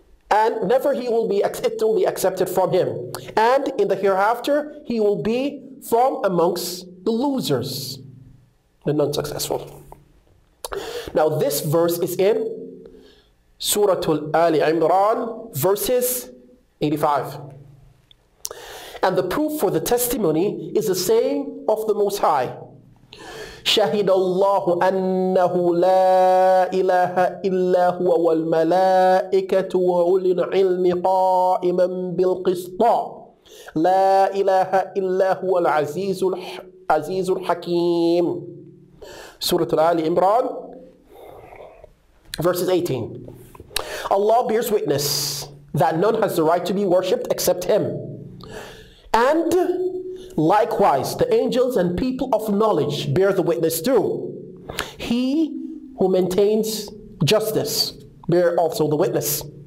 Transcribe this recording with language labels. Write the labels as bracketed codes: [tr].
[en] And never he will be, it will be accepted from him. And in the hereafter, he will be from amongst the losers, the non-successful. Now this verse is in Surah Ali Imran, verses 85. And the proof for the testimony is the saying of the Most High. [ar] شهد الله أنه لا إله إلا هو والملائكة وأولو العلم قائما بالقسط لا إله إلا هو العزيز العزيز الحكيم. سورة آل عمران [en] verses 18. Allah bears witness that none has the right to be worshipped except Him, and likewise, the angels and people of knowledge bear the witness too. He who maintains justice bear also the witness.